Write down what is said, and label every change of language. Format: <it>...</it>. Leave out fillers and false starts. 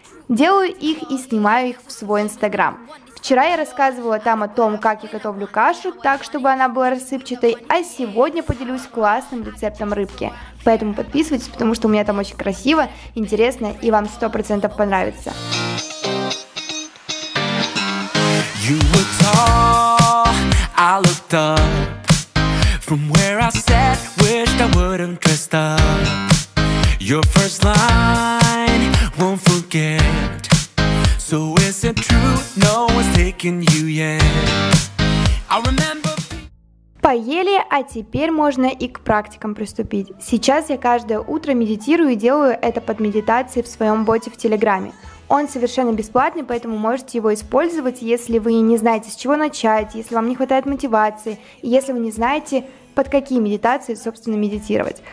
<ru>Делаю их и снимаю их в свой инстаграм. Вчера я рассказывала там о том, как я готовлю кашу так, чтобы она была рассыпчатой, а сегодня поделюсь классным рецептом рыбки. Поэтому подписывайтесь, потому что у меня там очень красиво, интересно и вам 100% понравится.</ru> <en>You were tall, I looked up. From where I sat, wished I wouldn't dressed up. Your first line, won't forget. So is it true, no one's taking you yet? I remember.</en> <ru>Поели, а теперь можно и к практикам приступить. Сейчас я каждое утро медитирую и делаю это под медитацией в своем боте в Телеграме. Он совершенно бесплатный, поэтому можете его использовать, если вы не знаете, с чего начать, если вам не хватает мотивации, и если вы не знаете, под какие медитации, собственно, медитировать.</ru>